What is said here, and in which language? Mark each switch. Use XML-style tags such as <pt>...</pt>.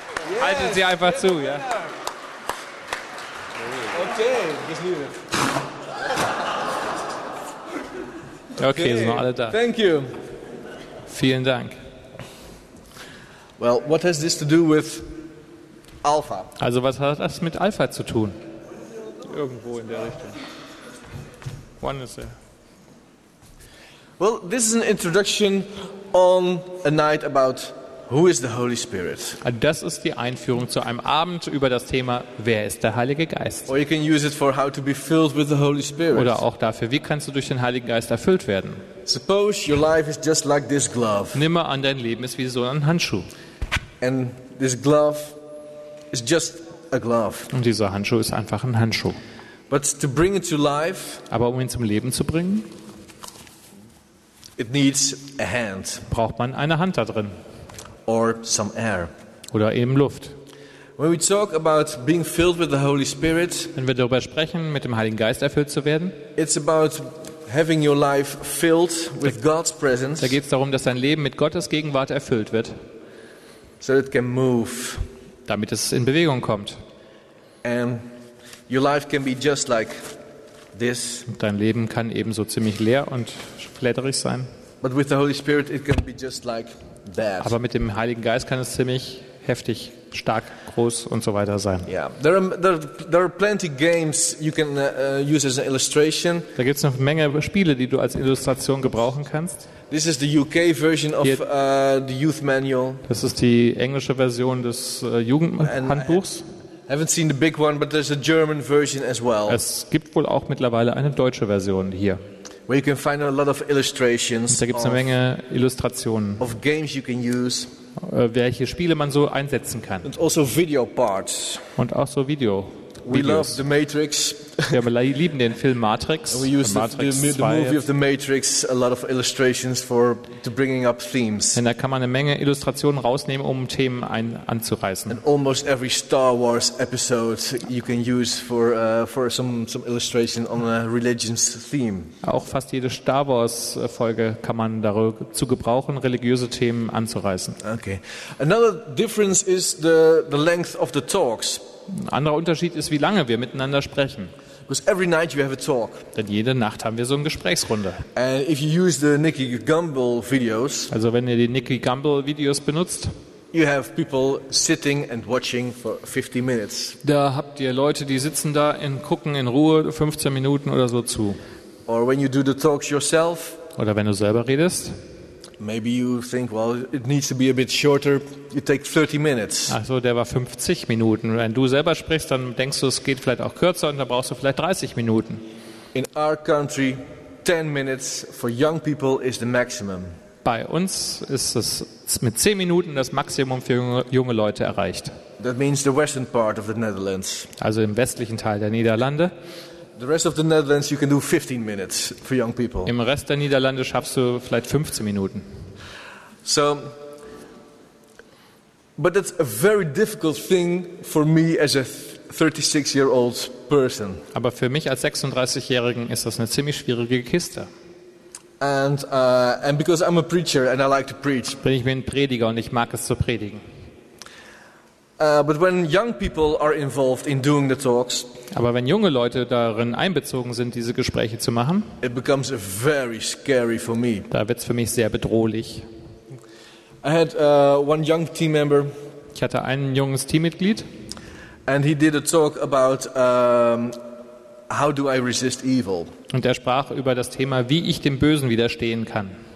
<de>Yes. Haltet sie einfach zu, ja?</de> <en>Okay, just leave it.</en> <de>Okay, sind noch alle da.</de> <en>Thank you.</en> <de>Vielen Dank.</de> <en>Well, what has this to do with Alpha?</en> <de>Also, was hat das mit Alpha zu tun? Irgendwo in der Richtung.</de> <en>One is there. Well, this is an introduction on a night about who is the Holy Spirit.</en> <de>Das ist die Einführung zu einem Abend über das Thema, wer ist der Heilige Geist?</de> <en>Or you can use it for how to be filled with the Holy Spirit.</en> <de>Oder auch dafür, wie kannst du durch den Heiligen Geist erfüllt werden?</de> <en>Suppose your life is just like this glove.</en> <de>Nimm mal an, dein Leben ist wie so ein Handschuh.</de> <en>And this glove is just a glove.</en> <de>Und dieser Handschuh ist einfach ein Handschuh.</de> <en>But to bring it to life,</en> <de>aber um ihn zum Leben zu bringen,</de> <en>it needs a hand.</en> <de>Braucht man eine Hand da drin.</de> <en>Or some air.</en> <de>Oder eben Luft.</de> <en>When we talk about being filled with the Holy Spirit,</en> <de>wenn wir darüber sprechen, mit dem Heiligen Geist erfüllt zu werden,</de> <en>it's about having your life filled with God's presence.</en> <de>Da geht's darum, dass dein Leben mit Gottes Gegenwart erfüllt wird.</de> <en>So it can move.</en> <de>Damit es in Bewegung kommt.</de> <en>And your life can be just like this.</en> <de>Dein Leben kann eben so ziemlich leer und flatterig sein.</de> <en>But with the Holy Spirit it can be just like that.</en> <de>Aber mit dem Heiligen Geist kann es ziemlich heftig, stark, groß und so weiter sein.</de> <en>Yeah. There are plenty games you can use as an illustration.</en> <de>Da gibt's noch eine Menge Spiele, die du als Illustration gebrauchen kannst.</de> <en>This is the UK version of the youth manual.</en> <de>Das ist die englische Version des Jugendhandbuchs.</de> <en>I haven't seen the big one, but there's a German version as well.</en> <de>Es gibt wohl auch mittlerweile eine deutsche Version hier.</de> <en>Where you can find a lot of illustrations.</en> <de>Da gibt's eine Menge Illustrationen.</de> <en>Of games you can use.</en> <de>Welche Spiele man so einsetzen kann.</de> <en>And also video parts.</en> <de>Und auch so Video.</de> <en>We love the Matrix.</en> <de>Ja, wir lieben den Film Matrix.</de> <en>We use the movie of the Matrix a lot of illustrations for to bringing up themes.</en> <de>Denn da kann man eine Menge Illustrationen rausnehmen, um Themen anzureißen.</de> <en>And almost every Star Wars episode you can use for some illustration on a religious theme.</en> <de>Auch fast jede Star Wars Folge kann man dazu gebrauchen, religiöse Themen anzureißen.</de> <en>Okay. Another difference is the length of the talks.</en> <de>Ein anderer Unterschied ist, wie lange wir miteinander sprechen.</de> <en>Because every night you have a talk.</en> <de>Denn jede Nacht haben wir so eine Gesprächsrunde.</de> <en>If you use the Nikki Gumbel videos,</en> <de>also wenn ihr die Nikki Gumbel Videos benutzt,</de> <en>you have people sitting and watching for 50 minutes.</en> <de>Da habt ihr Leute, die sitzen da und gucken in Ruhe 15 Minuten oder so zu.</de> <en>Or when you do the talks yourself,</en> <de>oder wenn du selber redest,</de> <en>maybe you think, well, it needs to be a bit shorter. You take 30 minutes.</en> <de>Ach so, der war 50 Minuten. Wenn du selber sprichst, dann denkst du, es geht vielleicht auch kürzer und dann brauchst du vielleicht 30 Minuten.</de> <en>In our country, 10 minutes for young people is the maximum.</en> <de>Bei uns ist es mit 10 Minuten das Maximum für junge Leute erreicht.</de> <en>That means the western part of the Netherlands.</en> <de>Also im westlichen Teil der Niederlande.</de> <en>The rest of the Netherlands you can do 15 minutes for young people.</en> <de>Im Rest der Niederlande schaffst du vielleicht 15 Minuten.</de> <en>So, but it's a very difficult thing for me as a 36-year-old person.</en> <de>Aber für mich als 36-Jährigen ist das eine ziemlich schwierige Kiste.</de> <en>And because I'm a preacher and I like to preach.</en> <de>Bin ich ein Prediger und ich mag es zu predigen.</de> <en>But when young people are involved in doing the talks,</en> <de>aber wenn junge Leute darin einbezogen sind, diese Gespräche zu machen,</de> <en>it becomes very scary for me.</en> <de>Da wird's für mich sehr bedrohlich.</de> <en>I had one young team member.</en> <de>Ich hatte ein junges Teammitglied.</de> <en>And he did a talk about how do I resist evil.</en> <de>Und er sprach über das Thema, wie ich dem Bösen widerstehen kann.</de>